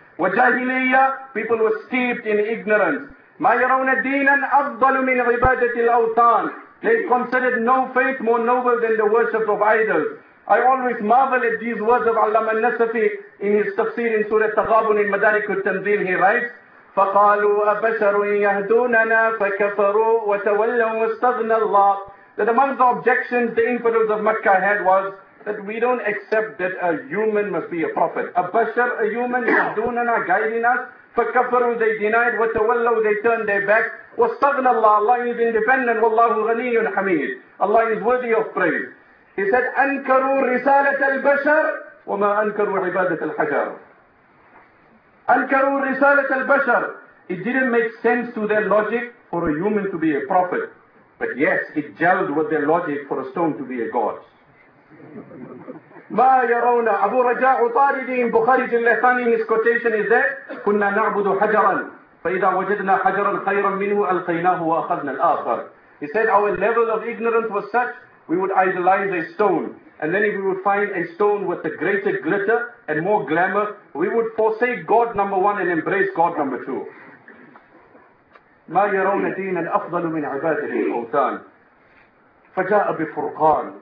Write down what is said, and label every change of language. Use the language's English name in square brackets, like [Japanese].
[Arabic] وَجَاهِلِيَّةٍ. [English] People were steeped in ignorance. [Arabic] مَا يَرَوْنَ دِينًا أَفْضَلُ مِنْ عِبَادَةِ الْأَوْثَانِ. [English] They considered no faith more noble than the worship of idols. I always marvel at these words of Allama al-Nasafi in his tafsir in Surah Taghabun in Madarik al-Tanzeel. He writes, [Arabic] فَقَالُوا أَبَشَرٌ يَهْدُونَنَا فَكَفَرُوا وَتَوَلَّوا وَاسْتَغْنَى اللَّهِ. [English] That among the objections the infidels of Mecca had was that we don't accept that a human must be a prophet. A bashar, a human, yahdunana, guiding us. فَكَفَرُوا they denied, وَتَوَلَّوا they turned their back. [Arabic] وَاسْتَغْنَى اللَّهِ. [English] Allah is independent, [Arabic] وَاللَّهُ غَنِيٌّ حَمِيدٌ. [English] Allah is worthy of praise. He said, [Arabic] أَنْكَرُوا رِسَالَةَ الْبَشَرِ وَمَا أَنْكَرُوا عِبَادَةَ الْحَجَرِ. أَنْكَرُوا رِسَالَةَ الْبَشَرِ. [English] It didn't make sense to their logic for a human to be a prophet. But yes, it gelled with their logic for a stone to be a god. [Arabic] مَا يَرَوْنَ أَبُو رَجَاءُ طَارِدِي [English] in Bukhari Jilla Thani, his quotation is that, [Arabic] كُنَّا نَعْبُدُ حَجَرًا فَإِذَا وَجَدْنَا حَجَرًا خَيْرًا مِنْهُ أَلْقَيْنَاهُ وَأَخَذْنَا الْآخَرَ. [English] He said, our level of ignorance was such, we would idolize a stone, and then if we would find a stone with a greater glitter and more glamour, we would forsake God number one and embrace God number two. [Arabic] مَا يَرَوْنَ دِينًا أَفْضَلُ مِنْ عِبَادِهِ الْأَوْثَانِ. فَجَاءَ بِفُرْقَانِ.